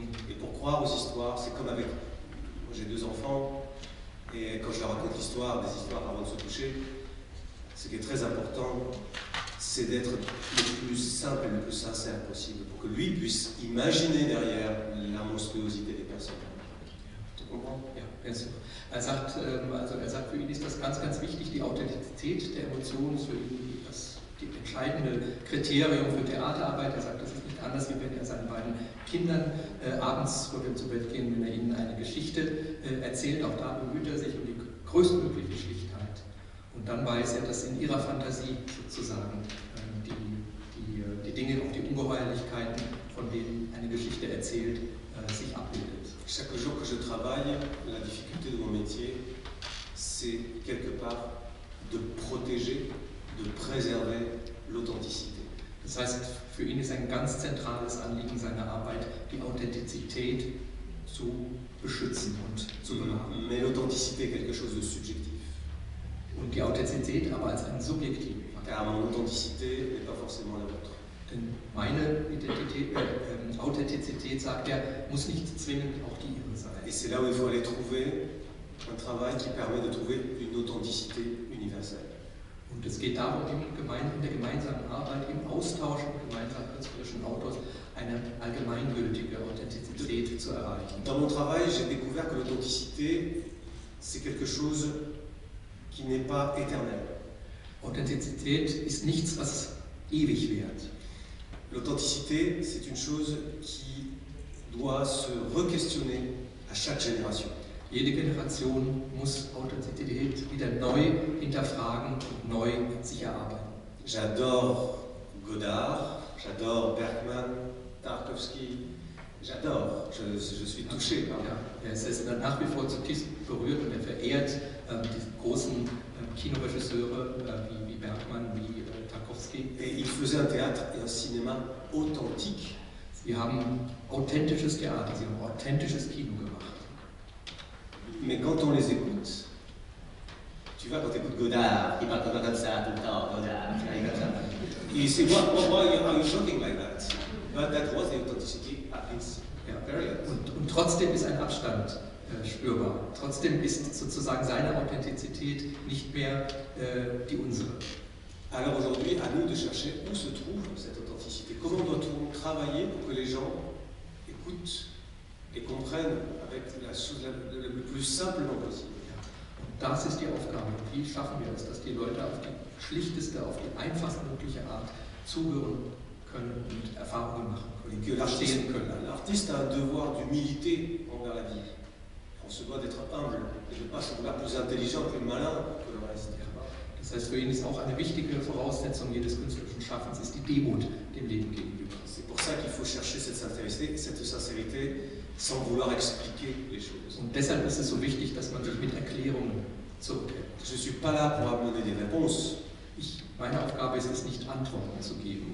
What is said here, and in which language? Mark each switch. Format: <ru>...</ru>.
<fr>Et pour croire aux histoires, c'est comme avec... Moi j'ai deux enfants, et quand je leur raconte l'histoire, des histoires avant de se coucher, ce qui est très important, c'est d'être le plus simple et le plus sincère possible pour que lui puisse imaginer derrière la monstruosité des personnes. Tu comprends? Ja, bien sûr.</fr> <de>Er sagt, für ihn ist das ganz, ganz wichtig, die Authentizität der Emotionen, für ihn das die entscheidende Kriterium für Theaterarbeit. Er sagt, das ist nicht anders, wie wenn er seinen beiden Kindern abends vor dem zu Bett gehen, wenn er ihnen eine Geschichte erzählt. Auch da bemüht er sich um die größtmögliche Schlichtheit. Und dann weiß er, dass in ihrer Fantasie sozusagen die Dinge, auch die Ungeheuerlichkeiten, von denen eine Geschichte erzählt, sich abbildet.</de> <fr>Chaque jour que je travaille, la difficulté de mon métier, c'est quelque part de protéger, de préserver l'authenticité.</fr> <de>Das heißt, für ihn ist ein ganz zentrales Anliegen seiner Arbeit, die Authentizität zu beschützen und zu bewahren.</de> <fr>Mais l'authenticité est quelque chose de subjectif.</fr> <de>Und die Authentizität aber als ein subjektiv.</de> <fr>Ja, mon authenticité n'est pas forcément la vôtre.</fr> <de>Denn meine Identität, Authentizität, sagt er, muss nicht zwingend auch die ihre sein.</de> <fr>Et c'est là où il faut aller trouver un travail qui permet de trouver une authenticité universelle.</fr> <de>Und es geht darum, in der gemeinsamen Arbeit, im Austausch und gemeinsam als frischen Autors eine allgemeingültige Authentizität zu erreichen.</de> <fr>Dans mon travail, j'ai découvert que l'authenticité, c'est quelque chose qui n'est pas éternel.</fr> <de>Authentizität ist nichts, was ewig währt.</de> <fr>L'authenticité, c'est une chose qui doit se re-questionner à chaque génération.</fr> <de>Jede Generation muss Authentizität wieder neu hinterfragen und neu sich erarbeiten.</de> <fr>J'adore Godard, j'adore Bergman, Tarkovsky, j'adore, je suis touché.</fr> <de>Ja, er ist nach wie vor zutiefst berührt und er verehrt die großen Kinoregisseure wie Bergman, wie Tarkovsky.</de> <fr>Et il faisait un théâtre et un cinéma authentique.</fr> <de>Sie haben authentisches Theater, sie haben authentisches Kino gemacht.</de> <fr>Mais quand on les écoute, tu vois, quand tu écoutes Godard, il parle comme ça tout le temps, Godard, il dit comme ça. Et c'est moi,</fr> <en>are you talking like that? But that was the authenticity at its period.</en> <de>Und trotzdem ist ein Abstand spürbar. Trotzdem ist sozusagen seine Authentizität nicht mehr die unsere.</de> <fr>Alors aujourd'hui, à nous de chercher où se trouve cette authenticité. Comment doit-on travailler pour que les gens écoutent et comprennent avec le plus simplement possible.</fr> <de>Und das ist die Aufgabe. Wie schaffen wir es, dass die Leute auf die schlichteste, auf die einfachstmögliche Art zuhören können und Erfahrungen machen können, verstehen können.</de> <fr>L'artiste a un devoir d'humilité envers la vie. On se doit d'être humble et de ne pas se vouloir plus intelligent, plus malin que le reste.</fr> <de>Das heißt, für ihn ist auch eine wichtige Voraussetzung jedes künstlerischen Schaffens, ist die Demut dem Leben gegenüber.</de> <fr>C'est pour ça qu'il faut chercher cette sincérité sans vouloir expliquer les choses.</fr> <de>Und deshalb ist es so wichtig, dass man sich mit Erklärungen zurückhält.</de> <fr>Je suis pas là pour amener des réponses.</fr> <de>Meine Aufgabe ist es nicht, Antworten zu geben,</de>